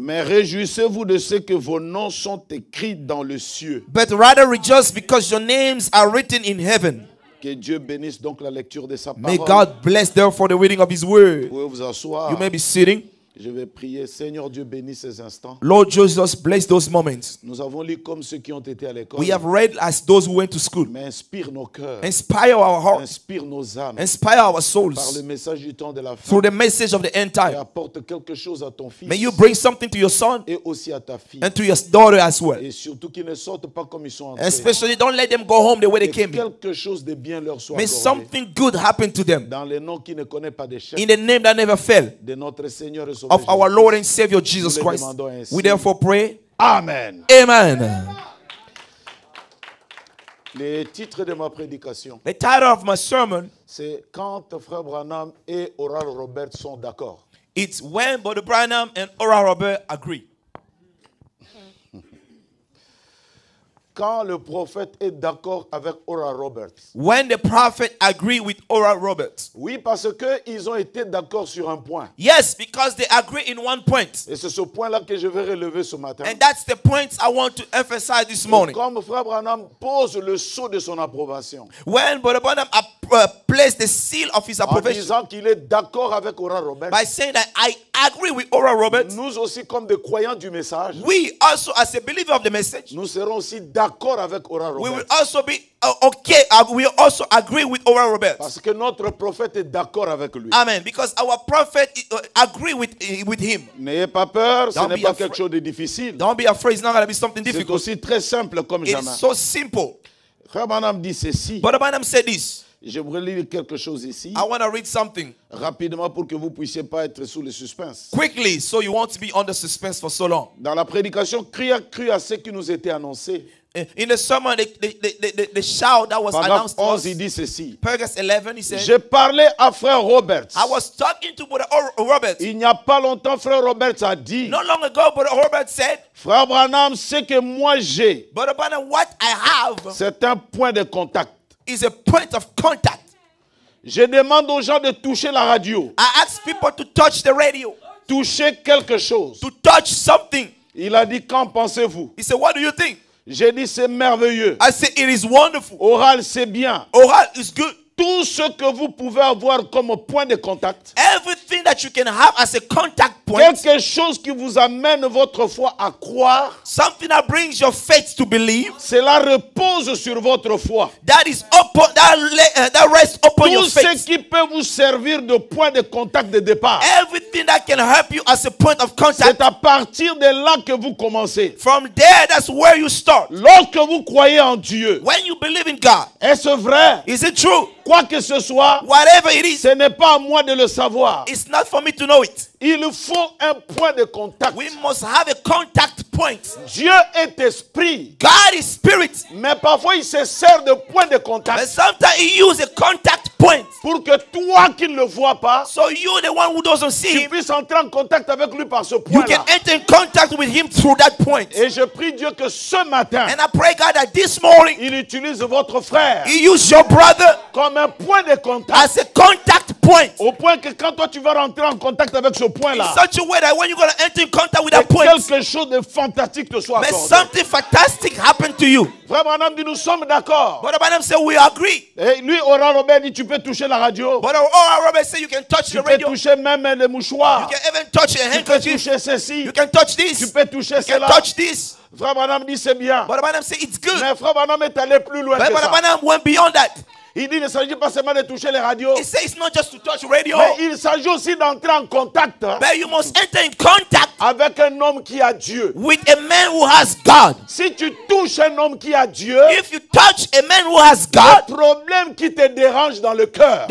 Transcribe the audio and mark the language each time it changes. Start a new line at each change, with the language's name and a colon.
French: Mais réjouissez-vous de ce que vos noms sont écrits dans le ciel.
English: But rather rejoice because your names are written in heaven.
French: Que Dieu bénisse donc la lecture de sa parole.
English: May God bless therefore the reading of his word.
French: Vous pouvez vous asseoir.
English: You may be sitting.
French: Je vais prier. Seigneur Dieu bénisse ces instants.
English: Lord Jesus bless those moments.
French: Nous avons lu comme ceux qui ont été à l'école.
English: We have read as those who went to school.
French: Mais inspire nos cœurs.
English: Inspire our hearts.
French: Inspire nos âmes.
English: Inspire our souls.
French: Par le message du temps de la fin.
English: Through the message of the end time.
French: Et apporte quelque chose à ton fils.
English: May you bring something to your son.
French: Et aussi à ta fille.
English: And to your daughter as well.
French: Et surtout qu'ils ne sortent pas comme ils sont entrés.
English: Especially don't let them go home the way they came.
French: Quelque chose de bien leur soit
English: May
French: accordé.
English: Something good happen to them.
French: Dans le nom qui ne connaît pas d'échec.
English: In the name that never fell.
French: De notre Seigneur
English: of our Lord and Savior Jesus Christ. We therefore pray. Amen. Amen.
French: Le titre de ma prédication.
English: The title of my sermon.
French: C'est quand Frère Branham et Oral Robert sont d'accord.
English: It's when Brother Branham and Oral Robert agree.
French: Quand le prophète est d'accord avec Oral Roberts.
English: When the prophet agree with Oral Roberts.
French: Oui, parce que ils ont été d'accord sur un point.
English: Yes, because they agree in one point.
French: Et c'est ce point-là que je vais relever ce matin.
English: And that's the point I want to emphasize this morning.
French: Et comme Frère Branham pose le sceau de son approbation.
English: When Brother Branham place the seal of his approbation.
French: En disant qu'il est d'accord avec Oral Roberts.
English: By saying that I agree with Oral Roberts.
French: Nous aussi comme des croyants du message.
English: We also as a believer of the message.
French: Nous serons aussi d'accord avec Oral Roberts.
English: We will also be okay. We also agree with Oral Roberts.
French: Parce que notre prophète est d'accord avec lui.
English: Amen. Because our prophet agree with him.
French: N'ayez pas peur.
English: Don't
French: ce n'est pas quelque chose de difficile.
English: Don't be afraid. It's not going to be something difficult.
French: C'est aussi très simple comme
English: It's
French: jamais.
English: It's so simple.
French: Frère Branham dit ceci.
English: Brother Branham said this.
French: Je voudrais lire quelque chose ici.
English: I want to read something.
French: Rapidement pour que vous puissiez pas être sous le suspense.
English: Quickly, so you won't be under suspense for so long.
French: Dans la prédication, crie à ce qui nous était annoncé.
English: In the sermon, the shout that was Paragraph announced 11, to us.
French: Il dit ceci.
English: Paragraph 11, he said.
French: Je parlais à Frère Roberts.
English: I was talking to Brother Roberts.
French: Il n'y a pas longtemps, Frère Roberts a dit.
English: Not long ago, Brother Roberts said.
French: Frère Branham, ce que moi j'ai.
English: Brother Branham, what I have.
French: C'est un point de contact.
English: Is a point of contact.
French: Je demande aux gens de toucher la radio.
English: I ask people to touch the radio.
French: Toucher quelque chose.
English: To touch something.
French: Il a dit, qu'en pensez-vous?
English: He said, what do you think?
French: J'ai dit, c'est merveilleux.
English: I said, it is wonderful.
French: Oral, c'est bien.
English: Oral is good.
French: Tout ce que vous pouvez avoir comme point de contact.
English: Everything that you can have as a contact point.
French: Quelque chose qui vous amène votre foi à croire.
English: Something that brings your faith to believe.
French: Cela repose sur votre foi.
English: That rests upon
French: tout
English: your faith.
French: Tout ce qui peut vous servir de point de contact de départ.
English: Everything that can help you as a point of contact.
French: C'est à partir de là que vous commencez.
English: From there, that's where you start.
French: Lorsque vous croyez en Dieu.
English: When you believe in God.
French: Est-ce vrai?
English: Is it true?
French: Quoi que ce soit,
English: whatever it is,
French: ce n'est pas à moi de le savoir.
English: It's not for me to know it.
French: Il faut un point de contact.
English: We must have a contact point.
French: Dieu est esprit.
English: God is spirit.
French: Mais parfois il se sert de point de contact.
English: But sometimes he uses a contact point.
French: Pour que toi qui ne le vois pas,
English: so you the one who doesn't see him,
French: tu puisses entrer en contact avec lui par ce point-là.
English: You can enter in contact with him through that point.
French: Et je prie Dieu que ce matin,
English: and I pray God that this morning,
French: il utilise votre frère.
English: He uses your brother.
French: Comme un point de contact.
English: As a contact point.
French: Au point que quand toi tu vas rentrer en contact avec ce point-là.
English: In such a way that when you're going to enter in contact with that point.
French: Quelque chose de fantastique te soit accordé.
English: May something fantastic happen to you.
French: Vraiment, madame dit, nous sommes d'accord.
English: But madame said, we agree.
French: Et lui, Oral Robert dit, tu peux toucher la radio.
English: But Oral Robert said, you can touch
French: tu
English: the radio.
French: Tu peux toucher même les mouchoirs.
English: You can even touch a handkerchief.
French: Tu peux toucher ceci.
English: You can touch this.
French: Tu peux toucher
English: you
French: cela.
English: Can touch this.
French: Frère madame dit, c'est bien.
English: But madame said, it's good.
French: Mais frère madame est allé plus loin
English: but
French: que ça.
English: But madame went beyond that.
French: Il dit, il ne s'agit pas seulement de toucher les radios.
English: He says it's not just to touch radio.
French: Mais il s'agit aussi d'entrer en contact.
English: But you must enter in contact.
French: Avec un homme qui a Dieu.
English: With a man who has God.
French: Si tu touches un homme qui a Dieu.
English: If you touch a man who has God.
French: Le problème qui te dérange dans le cœur.